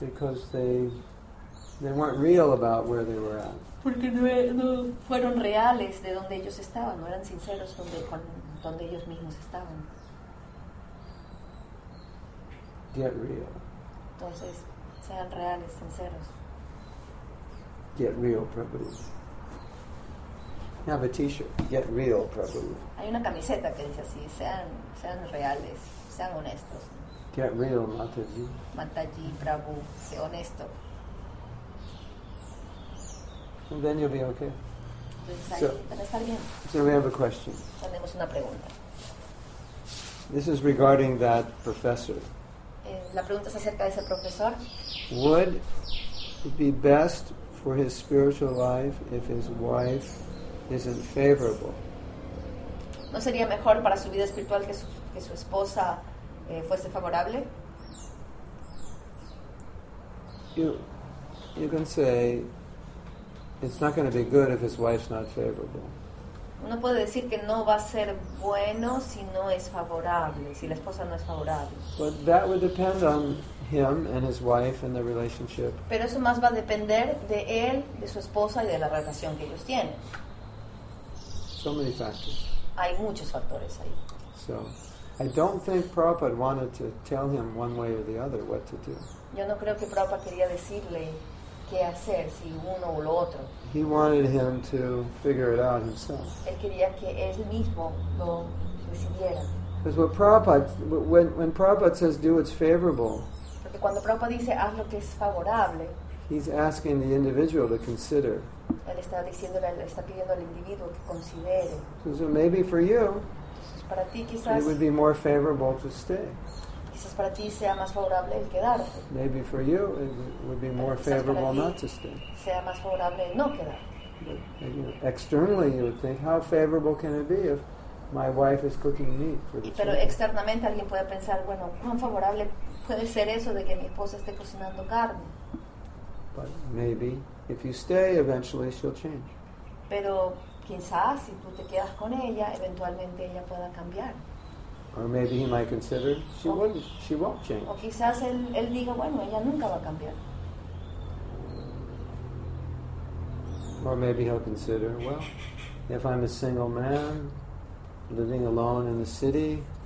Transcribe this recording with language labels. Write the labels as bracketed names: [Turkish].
[English] Because they weren't real about where they were at. [Spanish] Porque no fueron reales de donde ellos estaban, no eran sinceros donde ellos mismos estaban. [English] Get real. [Spanish] Entonces, sean reales, sinceros. [English] Get real, Prabhu. Have a t-shirt, get real, Prabhu. [Spanish] Hay una camiseta que dice así, sean reales, sean honestos. [English] Get real, Mataji. [Spanish] Mataji, Prabhu, sé honesto. [English] And then you'll be okay. So we have a question. [Spanish] Tenemos una pregunta. [English] This is regarding that professor. [Spanish] La pregunta es acerca de ese profesor. [English] Would it be best for his spiritual life if his wife isn't favorable? [Spanish] ¿No sería mejor para su vida espiritual que su esposa fuese favorable? [English] You can say it's not going to be good if his wife's not favorable. [Spanish] Uno puede decir que no va a ser bueno si no es favorable, si la esposa no es favorable. [English] But that would depend on him and his wife and the relationship. [Spanish] Pero eso más va a depender de él, de su esposa y de la relación que ellos tienen. [English] So many factors. [Spanish] Hay muchos factores ahí. [English] So, I don't think Prabhupada wanted to tell him one way or the other what to do. [Spanish] Yo no creo que Prabhupada quería decirle qué hacer, si uno o lo otro. [English] He wanted him to figure it out himself. [Spanish] Él quería que él mismo lo decidiera. [English] Because what Prabhupada, when Prabhupada says do what's favorable, [Spanish] porque cuando Prabhupada dice haz lo que es favorable, [English] he's asking the individual to consider. [Spanish] Él está diciéndole, está pidiendo al individuo que considere. [English] So maybe for you, [Spanish] para ti quizás, [English] it would be more favorable to stay. [Spanish] Quizás para ti sea más favorable el quedarte. [English] Maybe for you it would be more favorable not to stay. [Spanish] Sea más favorable el no quedarte. [English] But, you know, externally you would think, how favorable can it be if my wife is cooking meat for the [Spanish] pero [English] children? [Spanish] Externamente alguien puede pensar, bueno, ¿cuán favorable puede ser eso de que mi esposa esté cocinando carne? [English] But maybe if you stay, eventually she'll change. [Spanish] Pero quizás si tú te quedas con ella, eventualmente ella pueda cambiar. [English] Or maybe he might consider she wouldn't, she won't change. [Spanish] O quizás él diga, bueno, ella nunca va a cambiar. [English] Or maybe he'll consider, well, if I'm a single man living alone in the city,